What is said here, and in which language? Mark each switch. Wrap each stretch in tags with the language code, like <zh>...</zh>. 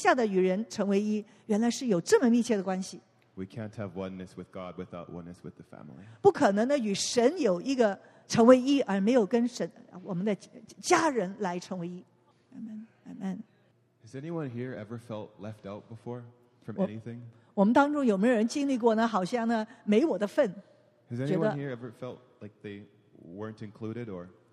<zh>所以原来呢,这一二两点,直向的与神对齐,横向的与人成为一,原来是有这么密切的关系。</zh> <en>We can't have oneness with God without oneness with the family.</en> <zh>不可能呢,与神有一个成为一,而没有跟神,我们的家人来成为一。</zh> <en>Amen, amen. Has anyone here ever felt left out before from anything?</en> <zh>我们当中有没有人经历过呢,好像呢,没我的份。</zh> <en>Has anyone here ever felt like they weren't included or?</en>